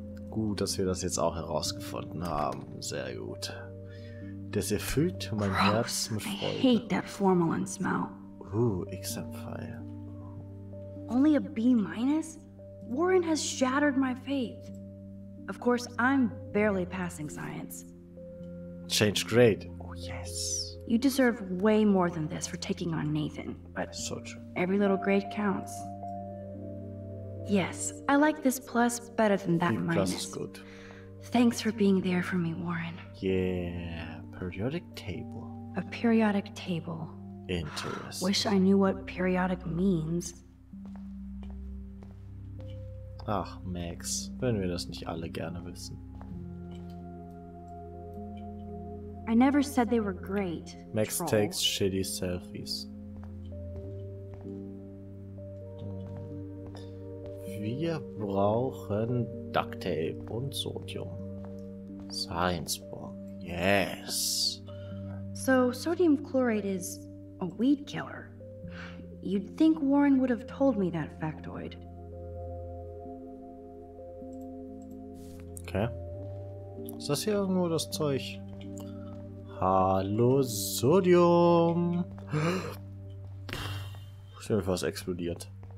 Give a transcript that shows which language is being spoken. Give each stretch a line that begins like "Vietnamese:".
German: Gut, dass wir das jetzt auch herausgefunden haben. Sehr gut. Das erfüllt mein Gross. Herz mit Freude.
English: I hate that formalin smell. Except fire. Only a B minus? Warren has shattered my faith. Of course, I'm barely passing science. Change grade. Yes. You deserve way more than this for taking on Nathan, but so true. Every little grade counts. Yes, I like this plus better than that B minus. Plus is good. Thanks for being there for me, Warren. Yeah, periodic table. A periodic table. Interesting. Wish I knew what periodic means.
German: Ach, Max, wenn wir das nicht alle gerne wissen.
English: I never said they were great. Max troll. Takes shitty selfies.
German: Wir brauchen duct tape und sodium.
English: Science book. Yes. So sodium chloride is a weed killer. You'd think Warren would have told me that factoid. Okay.
German: Ist das hier irgendwo das Zeug? Hallo, Sodium! Ich bin fast explodiert.